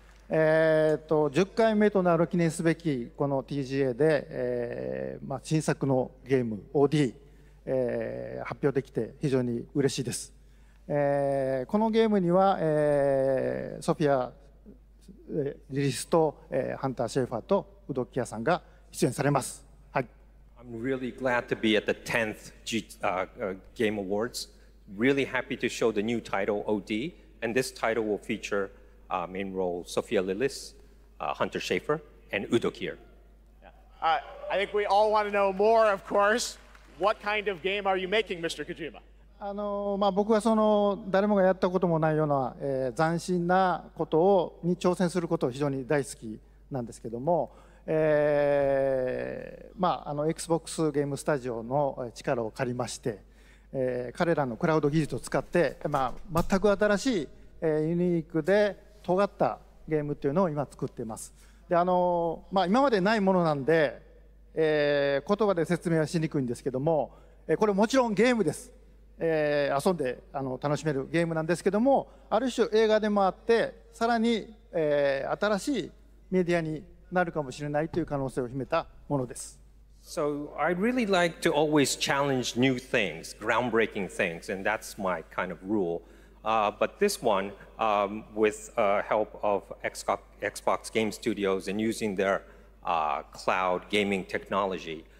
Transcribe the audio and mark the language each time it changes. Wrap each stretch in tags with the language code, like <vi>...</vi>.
<ja>10回目となる記念すべきこの TGA で、まあ、新作のゲーム OD、発表できて非常に嬉しいです、このゲームには、ソフィア、リリスと、ハンター・シェファーとウドッキアさんが出演されます、はい、</ja> <en>I'm really glad to be at the 10th Game Awards. Really happy to show the new title OD, and this title will featureMain role Sophia Lillis, Hunter Schafer, and Udo Kier. I think we all want to know more, of course. What kind of game are you making, Mr. Kojima?</en> <ja>まあ、僕はその誰もがやったこともないような、斬新なことをに挑戦することを非常に大好きなんですけども、まあ、あの Xbox ゲームスタジオの力を借りまして、彼らのクラウド技術を使って、まあ、全く新しい、ユニークで尖ったゲームっていうのを今作っています。で、まあ、今までないものなんで、言葉で説明はしにくいんですけども、これもちろんゲームです、遊んで楽しめるゲームなんですけども、ある種映画でもあって、さらに、新しいメディアになるかもしれないという可能性を秘めたものです。</ja> <en>So I really like to always challenge new things, groundbreaking things, and that's my kind of rule. But this oneWith help of Xbox Game Studios and using their cloud gaming technology.</en>